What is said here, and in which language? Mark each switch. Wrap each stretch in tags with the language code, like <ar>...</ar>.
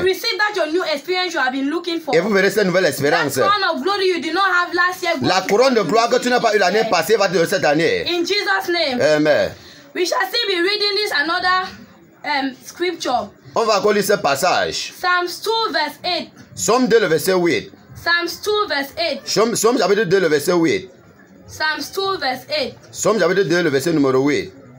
<en>And you receive that your new experience you have been looking for.</en> <fr>Et vous verrez cette nouvelle expérience.</fr> <en>The crown of glory you did not have last year.</en> <fr>La couronne de gloire que tu n'as pas eu l'année passée va te donner cette année.</fr> <en>In Jesus' name. Amen. We shall still be reading this another scripture.</en> <fr>On va encore lire ce passage.</fr> <en>Psalms 2 verse 8.</en> <fr>Psalm 2 le verset 8.</fr> <en>Psalms 2 verse 8.</en> <fr>Psalm chapitre 2 le verset 8.</fr> <en>Psalms 2 verse 8.</en> <fr>Psalm chapitre 2 le verset numéro 8.</fr>